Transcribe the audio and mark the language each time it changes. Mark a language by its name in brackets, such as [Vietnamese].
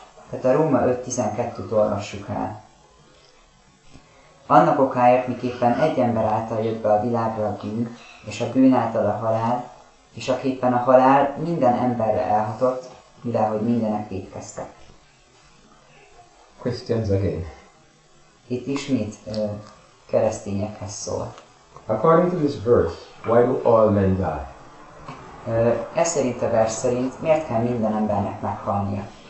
[Hungarian] Tehát a Róma 5.12-t olvassuk el. Annak okáért, miképpen egy ember által jött be a világra a bűn, és a bűn által a halál, és aképpen a halál minden emberre elhatott, mivel hogy mindenek vétkeztek. [English] Christians again. [Hungarian] Itt ismét keresztényekhez szól. [English] According to this verse, why do all men die? [Hungarian] Ez szerint a vers szerint, miért kell minden embernek meghalnia?